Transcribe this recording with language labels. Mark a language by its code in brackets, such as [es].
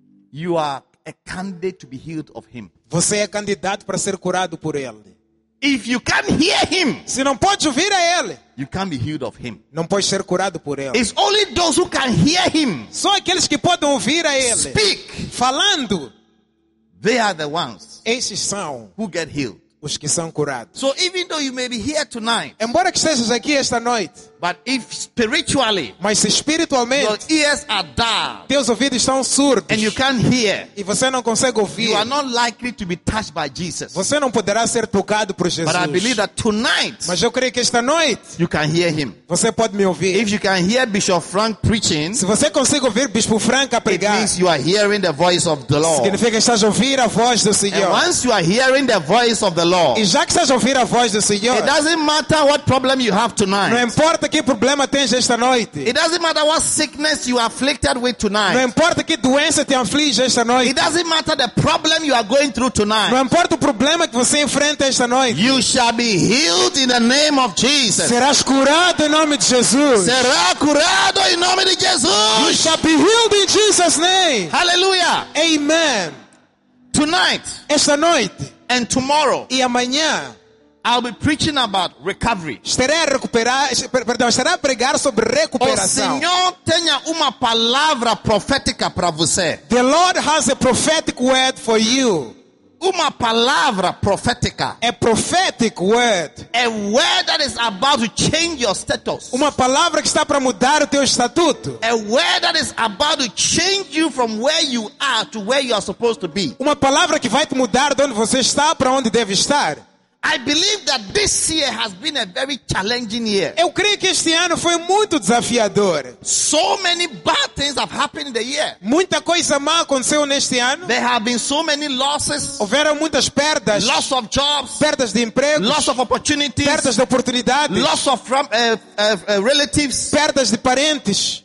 [en] You are a candidate to be healed of him. [pt] Você é candidato para ser curado por ele. [en] If you can't hear him, [pt] se não pode ouvir a ele, [en] you can't be healed of him. [pt] Não pode ser curado por ele. [en] It's only those who can hear him. [pt] Só aqueles que podem ouvir a ele. [en] Speak. [pt] Falando. [en] They are the ones. [pt] Esses são. [en] Who get healed. [pt] Os que são curados. [en] So even though you may be here tonight, [pt] embora que estejas aqui esta noite, [en] but if spiritually, [pt] mas espiritualmente, [en] your ears are dull, [pt] teus ouvidos estão surdos, [en] and you can't hear, [pt] e você não consegue ouvir, [en] you are not likely to be touched by Jesus. [pt] Você não poderá ser tocado por Jesus. [en] But I believe that tonight, [pt] mas eu creio que esta noite, [en] you can hear him. [pt] Você pode me ouvir. [en] If you can hear Bishop Frank preaching, [pt] se você consegue ouvir Bispo Frank a pregar, [en] it means you are hearing the voice of the Lord. [pt] Significa que estás a ouvir a voz do Senhor. [en] And once you are hearing the voice of the Lord. [pt] E já que estás a ouvir a voz do Senhor, [en] it doesn't matter what problem you have tonight. [pt] Não importa que problema tens esta noite. [en] It doesn't matter what sickness you are afflicted with tonight. [pt] Não importa que doença te aflige esta noite. [en] It doesn't matter the problem you are going through tonight. [pt] Não importa o problema que você enfrenta esta noite. [en] You shall be healed in the name of Jesus. [pt] Serás curado em nome de Jesus. Será curado em nome de Jesus. [en] You shall be healed in Jesus' name. Hallelujah. Amen. Tonight. [pt] Esta noite. [en] And tomorrow, [pt] e amanhã, [en] I'll be preaching about recovery. [pt] Estarei a pregar sobre recuperação. O Senhor tenha uma palavra profética para você. [en] The Lord has a prophetic word for you. [pt] Uma palavra profética. [en] A prophetic word. A word that is about to change your status. [pt] Uma palavra que está para mudar o teu estatuto. [en] A word that is about to change you from where you are to where you are supposed to be. [pt] Uma palavra que vai te mudar de onde você está para onde deve estar. [en] I believe that this year has been a very challenging year. [pt] Eu creio que este ano foi muito desafiador. [en] So many bad things have happened in the year. [pt] Muita coisa má aconteceu neste ano. [en] There have been so many losses. [pt] Houveram muitas perdas. [en] Loss of jobs. [pt] Perdas de empregos. [en] Loss of opportunities. [pt] Perdas de oportunidades. [en] Loss of relatives. [pt] Perdas de parentes.